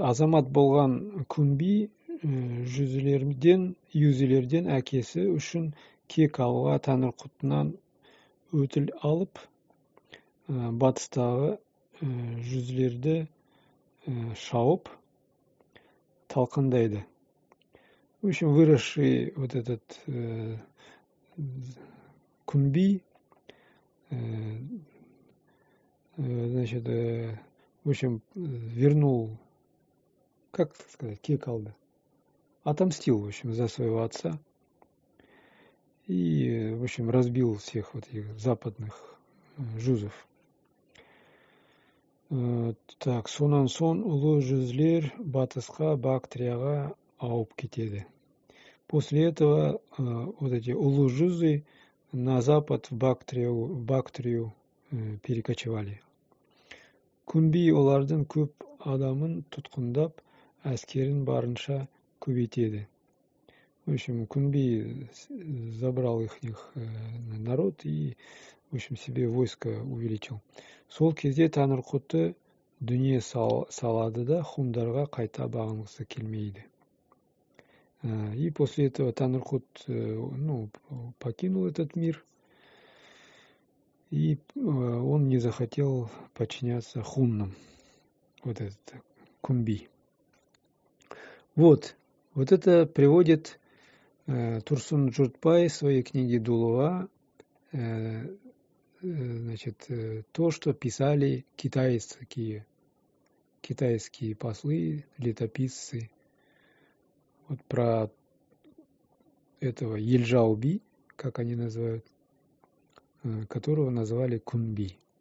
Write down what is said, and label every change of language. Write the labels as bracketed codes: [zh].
[kk] Азамат болған күнби юзілерден әкесі үшін кек алуға Тәңірқұтынан өтіл алып, батыстағы жүзілерді шауып талқындайды. [ru] В общем, выросший вот этот күнби, значит, в общем, вернул, как сказать, [kk] кекалды, [ru] отомстил, в общем, за своего отца и, в общем, разбил всех вот этих западных жузов. [kk] Так, сонан сон улы жүзлер батысқа Бактрияға ауып кетеді. [ru] После этого вот эти улы жүзы на запад в Бактрию перекочевали. [kk] Күнби олардың көп адамын тұтқындап, әскерін барынша көбейтеді. [ru] В общем, Кунби забрал их народ и, в общем, себе войско увеличил. [kk] Сол кезде Таңырқұты дүние салады да хундарға қайта бағынғысы келмейді. [ru] И после этого Таңырқұт, ну, покинул этот мир. И он не захотел подчиняться хуннам. Вот этот Кунби. Вот это приводит Турсун Джудпай в своей книге «Дулуа», значит, то, что писали китайские послы, летописцы, вот про этого Ельжауби, как они называют, которого называли Кунби.